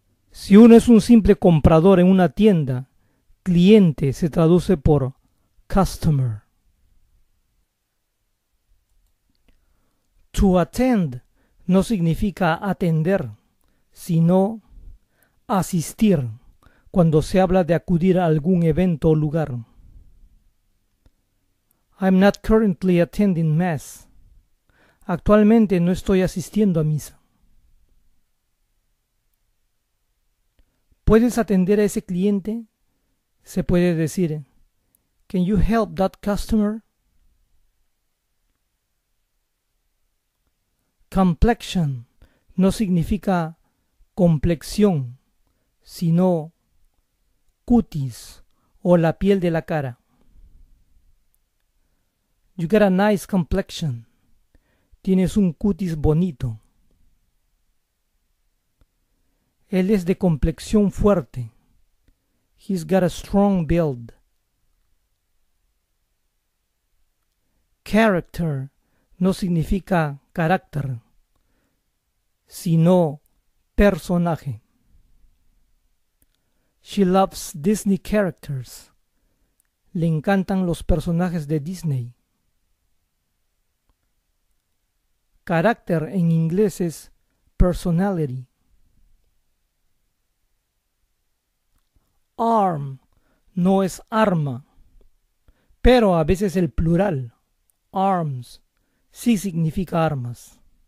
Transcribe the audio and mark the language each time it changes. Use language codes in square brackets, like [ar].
[es] Si uno es un simple comprador en una tienda, cliente se traduce por customer. To attend no significa atender, sino asistir cuando se habla de acudir a algún evento o lugar. [en] I'm not currently attending mass. [es] Actualmente no estoy asistiendo a misa. ¿Puedes atender a ese cliente? Se puede decir, [en] can you help that customer? [es] Complexion no significa complexión, sino cutis o la piel de la cara. [en] You got a nice complexion. [es] Tienes un cutis bonito. Él es de complexión fuerte. [en] He's got a strong build. [es] Character no significa carácter, sino personaje. [en] She loves Disney characters. [es] Le encantan los personajes de Disney. carácter en inglés es personality. Arm no es arma, pero a veces el plural, arms, sí significa armas.